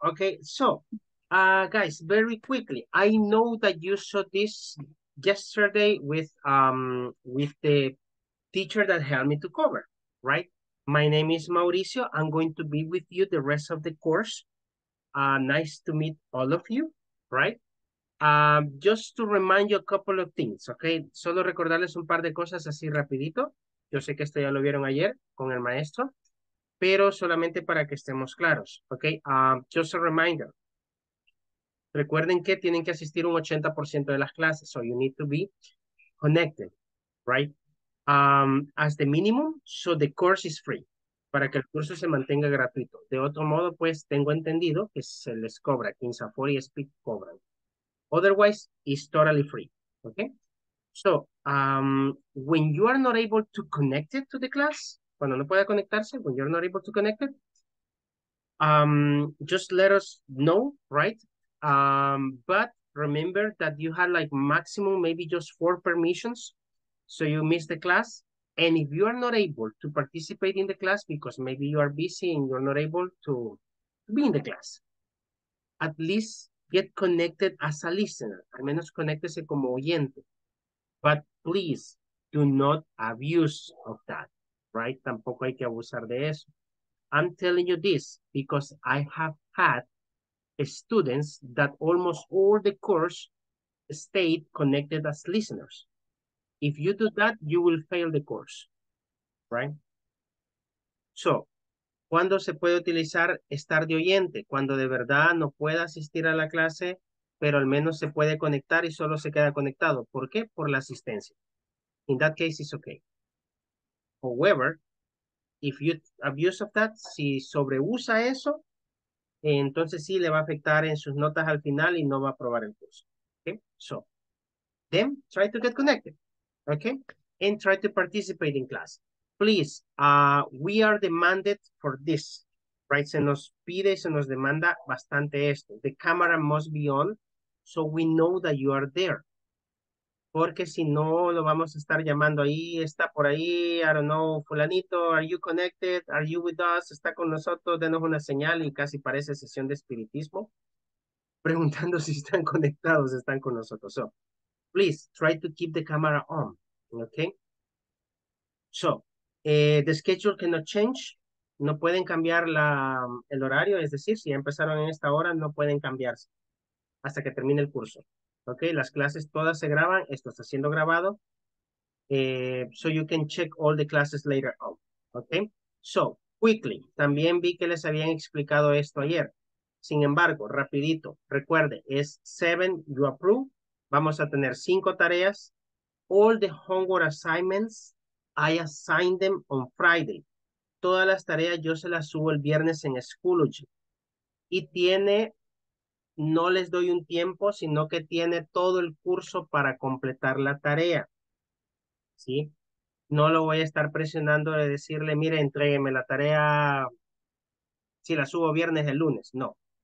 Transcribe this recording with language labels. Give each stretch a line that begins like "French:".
English: Okay, so, guys, very quickly, I know that you saw this yesterday with the teacher that helped me to cover, right? My name is Mauricio. I'm going to be with you the rest of the course. Nice to meet all of you, right? Just to remind you a couple of things, okay?
Spanish: Solo recordarles un par de cosas así rapidito. Yo sé que esto ya lo vieron ayer con el maestro, pero solamente para que estemos claros, okay?
English: Just a reminder.
Spanish: Recuerden que tienen que asistir un 80% de las clases,
English: so you need to be connected, right? As the minimum, so the course is free,
Spanish: para que el curso se mantenga gratuito. De otro modo, pues, tengo entendido que se les cobra, que en Safari Speak cobran.
English: Otherwise, it's totally free, okay? So, when you are not able to connect it to the class,
Spanish: cuando no pueda conectarse,
English: when you're not able to connect it, just let us know, right? But remember that you had like maximum, maybe just 4 permissions. So you miss the class, And if you are not able to participate in the class because maybe you are busy and you're not able to be in the class, at least get connected as a listener.
Spanish: Al menos conéctese como oyente.
English: But please do not abuse of that, right?
Spanish: Tampoco hay que abusar de eso.
English: I'm telling you this because I have had students that almost all the course stayed connected as listeners. If you do that, you will fail the course, right?
Spanish: So, ¿cuándo se puede utilizar estar de oyente? Cuando de verdad no pueda asistir a la clase, pero al menos se puede conectar y solo se queda conectado. ¿Por qué? Por la asistencia.
English: In that case, it's okay. However, if you abuse of that,
Spanish: si sobreusa eso, entonces sí le va a afectar en sus notas al final y no va a aprobar el curso. Okay?
English: So, then try to get connected. Okay? And try to participate in class. Please, we are demanded for this. Right?
Spanish: Se nos pide y se nos demanda bastante esto.
English: The camera must be on so we know that you are there.
Spanish: Porque si no, lo vamos a estar llamando ahí, está por ahí,
English: I don't know,
Spanish: fulanito,
English: are you connected? Are you with us?
Spanish: Está con nosotros, denos una señal y casi parece sesión de espiritismo. Preguntando si están conectados, están con nosotros.
English: So, please, try to keep the camera on, okay? So, the schedule cannot change.
Spanish: No pueden cambiar el horario, es decir, si ya empezaron en esta hora, no pueden cambiarse hasta que termine el curso. Okay, las clases todas se graban. Esto está siendo grabado.
English: So you can check all the classes later on. Okay, so quickly.
Spanish: También vi que les habían explicado esto ayer. Sin embargo, rapidito. Recuerde, es 7,
English: you approve.
Spanish: Vamos a tener 5 tareas.
English: All the homework assignments, I assign them on Friday.
Spanish: Todas las tareas yo se las subo el viernes en Schoology. Y tiene... No les doy un tiempo, sino que tiene todo el curso para completar la tarea. ¿Sí? No lo voy a estar presionando de decirle, mire, entrégueme la tarea si la subo viernes, el lunes. No.